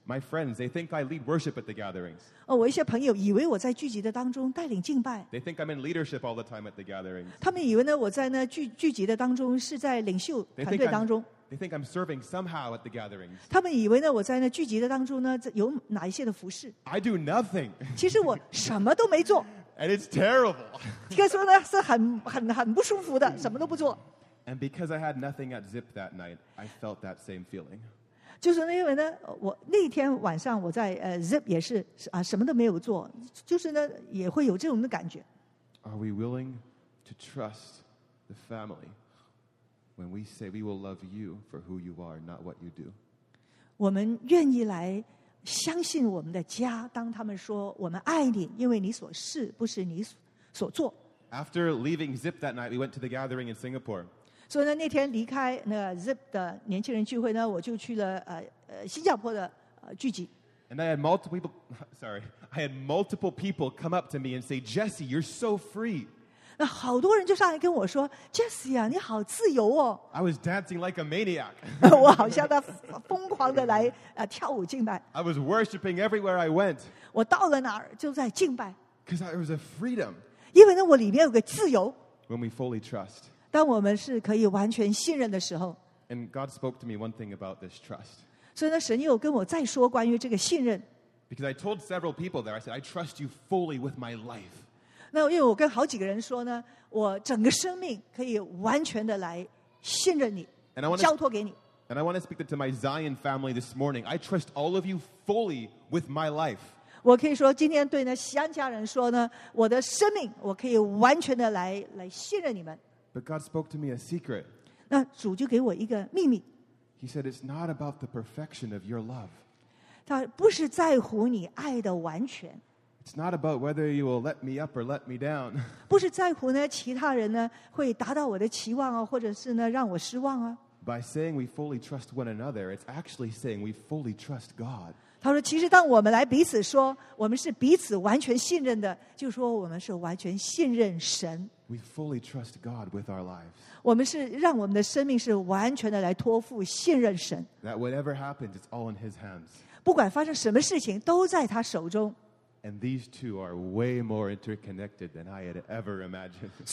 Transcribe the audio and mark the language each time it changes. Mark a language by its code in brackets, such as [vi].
[en] My friends, they think I lead worship at the gatherings. [zh] 我一些朋友以为我在聚集的当中带领敬拜。 [en] They think I'm in leadership all the time at the gatherings. [zh] 他们以为呢，我在那聚集的当中是在领袖团队当中。 [en] They think I'm serving somehow at the gatherings. [zh] 他们以为呢，我在那聚集的当中呢，有哪一些的服事。 [en] I do nothing. [zh] 其实我什么都没做。 [en] And it's terrible. [zh] 应该说呢，是很不舒服的，什么都不做。 [en] And because I had nothing at Zip that night, I felt that same feeling. [zh] 就是因为呢，我那天晚上我在Zip 也是什么都没有做，就是呢也会有这种的感觉。 [en] Are we willing to trust the family when we say we will love you for who you are, not what you do? [zh] 我们愿意来相信我们的家，当他们说我们爱你，因为你所是，不是你所做。 [en] After leaving Zip that night, we went to the gathering in Singapore. [zh] 所以呢，那天离开那 Zip 的年轻人聚会呢，我就去了新加坡的聚集。 [en] And I had multiple people come up to me and say, "Jesse, you're so free." [zh] 那好多人就上来跟我说 ，Jesse 啊，你好自由哦。 [en] I was dancing like a maniac. [zh] 我好像在疯狂的来跳舞敬拜。 [en] I was worshiping everywhere I went. [zh] 我到了哪儿就在敬拜。 [en] Because there was a freedom. [zh] 因为呢，我里面有个自由。 [en] When we fully trust. [zh] 当我们是可以完全信任的时候 [en] ，And God spoke to me one thing about this trust. [zh] 所以呢，神又跟我再说关于这个信任。 [en] Because I told several people there, I said, I trust you fully with my life. [zh] 那因为我跟好几个人说呢，我整个生命可以完全的来信任你， [en] and I wanna, [zh] 交托给你。 [en] And I want to speak to my Zion family this morning. I trust all of you fully with my life. [zh] 我可以说今天对那西安家人说呢，我的生命我可以完全的来信任你们。 [en] But God spoke to me a secret. [zh] 那主就给我一个秘密。 [en] He said, it's not about the perfection of your love. [zh] 不是在乎你爱的完全。 [en] It's not about whether you will let me up or let me down. [zh] 不是在乎呢,其他人呢,会达到我的期望啊,或者是呢,让我失望啊。 [en] By saying we fully trust one another, it's actually saying we fully trust God. [zh] 他说,其实当我们来彼此说,我们是彼此完全信任的,就说我们是完全信任神。 [en] We fully trust God with our lives. [zh] 我们是让我们的生命是完全的来托付信任神。 [en] That whatever happens, it's all in His hands. [zh] 不管发生什么事情,都在他手中。 [en] And these two are way more interconnected than I had ever imagined.